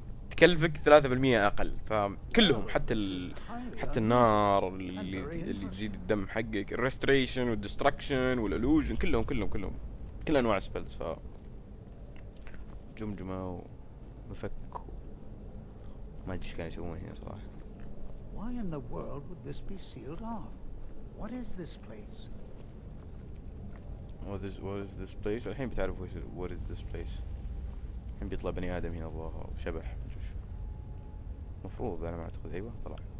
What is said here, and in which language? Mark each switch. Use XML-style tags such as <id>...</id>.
<ar>تكلفك 3% اقل فكلهم حتى ال حتى النار اللي تزيد الدم حقك restoration والdestruction والillusion كلهم كلهم كلهم كل انواع spells ف جمجمة ومفك ما ادري ايش كانوا يسوون هنا صراحة</ar> <en>why in the world would this be sealed off what is this place What is this place?</en> <ar>الحين بتعرف وش</ar> <en>what is this place.</en> <ar>الحين بيطلع بني آدم هنا الله شبح مدريش. مفروض أنا ما أعتقد أيوة طلع.</ar>